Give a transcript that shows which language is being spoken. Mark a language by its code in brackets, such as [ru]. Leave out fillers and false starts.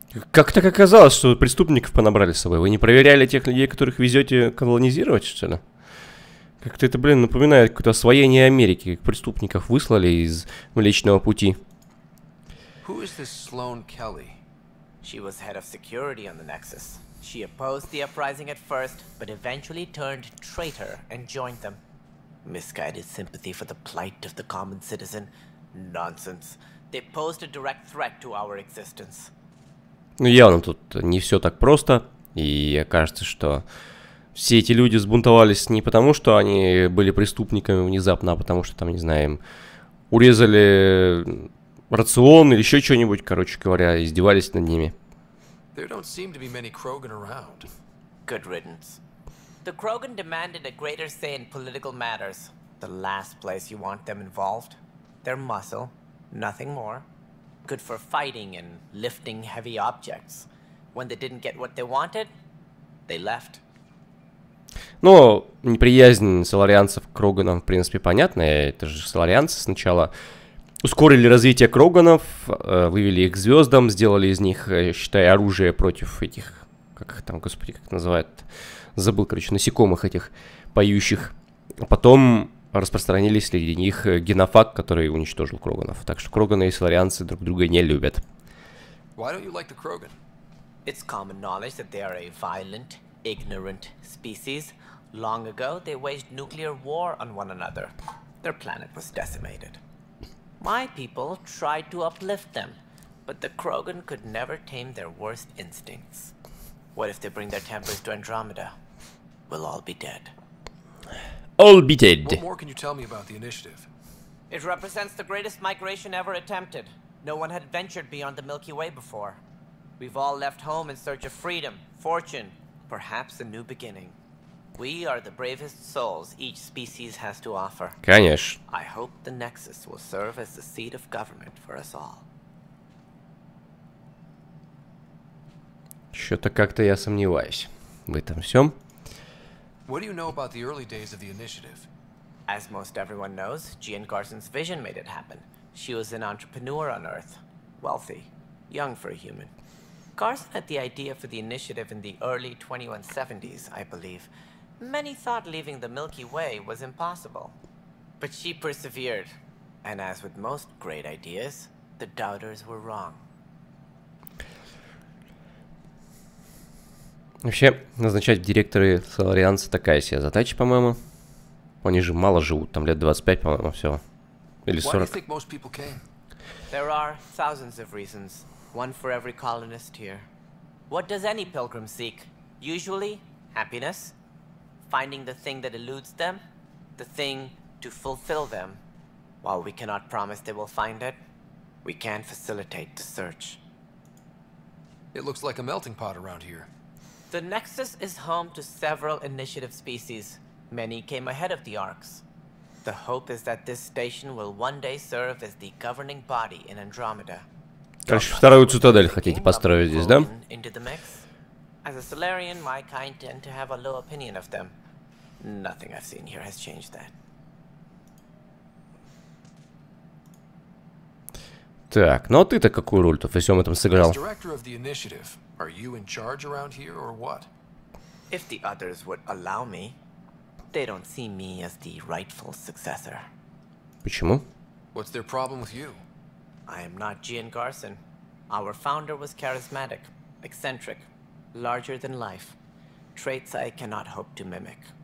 [ru] Как так оказалось, что преступников понабрали с собой? Вы не проверяли тех людей, которых везете колонизировать, что ли? Как-то это, блин, напоминает какое-то освоение Америки, как преступников выслали из Млечного Пути. [en] Who is this Sloane Kelly? She was head of security on the Nexus. She opposed the uprising at first, but eventually turned traitor and joined them. Misguided sympathy for the plight of the common citizen? Nonsense. They posed a direct threat to our existence. [ru] Ну явно тут не все так просто, и кажется, что все эти люди сбунтовались не потому, что они были преступниками внезапно, а потому что там, не знаю, им урезали рацион или еще что-нибудь, короче говоря, издевались над ними. [en] There don't seem to be many Krogan around. Good riddance. The Krogan demanded a greater say in political matters. The last place you want them involved. Their muscle, nothing more. Good for fighting and lifting heavy objects. When they didn't get what they wanted, they left. [ru] Ну, неприязнь соларианцев к Кроганам, в принципе, понятна. Это же соларианцы сначала ускорили развитие Кроганов, вывели их к звездам, сделали из них, считай, оружие против этих, как их там, господи, как называют, забыл, короче, насекомых этих поющих. Потом распространились среди них генофаг, который уничтожил Кроганов. Так что Кроганы и соларианцы друг друга не любят. [en] Why don't you like the Krogan? It's common knowledge that they are a violent, ignorant species. Long ago they waged nuclear war on one another. Their planet was decimated. My people tried to uplift them, but the Krogan could never tame their worst instincts. What if they bring their tempers to Andromeda? We'll all be dead. All be dead. What more can you tell me about the initiative? It represents the greatest migration ever attempted. No one had ventured beyond the Milky Way before. We've all left home in search of freedom, fortune, perhaps a new beginning. We are the bravest souls each species has to offer. [ru] Конечно. [en] I hope the Nexus will serve as the seat of government for us all. [ru] Что-то как-то я сомневаюсь в этом всем. [en] What do you know about the early days of the initiative? As most everyone knows, Jean Garson's vision made it happen. She was an entrepreneur on Earth, wealthy, young for a human. Garson had the idea for the initiative in the early 2170s, I believe. Many thought leaving the Milky Way was impossible. But she persevered. And as with most great ideas, the doubters were wrong. [ru] Вообще, назначать директоры Соларианца такая себе задача, по-моему. Они же мало живут, там лет 25, по-моему, всего. Или 40. [en] Why do you think most people came? There are thousands of reasons. One for every colonist here. What does any pilgrim seek? Usually, happiness. Finding the thing that eludes them, the thing to fulfill them. While we cannot promise they will find it, we can facilitate the search. It looks like a melting pot around here. The Nexus is home to several initiative species. Many came ahead of the Arcs. The hope is that this station will one day serve as the governing body in Andromeda. [ru] Короче, вторую цитадель хотите построить здесь, да? [en] Into the mix? As a Solarian, my kind tend to have a low opinion of them. Nothing I've seen here has changed that. [ru] Так, ну а ты-то какую роль-то во всем этом сыграл? [en] As director of the initiative, are you in charge around here or what? If the others would allow me, they don't see me as the rightful successor. [ru] Почему? [en] What's their problem with you? I am not Jean Garson. Our founder was charismatic, eccentric, larger than life. Traits I cannot hope to mimic.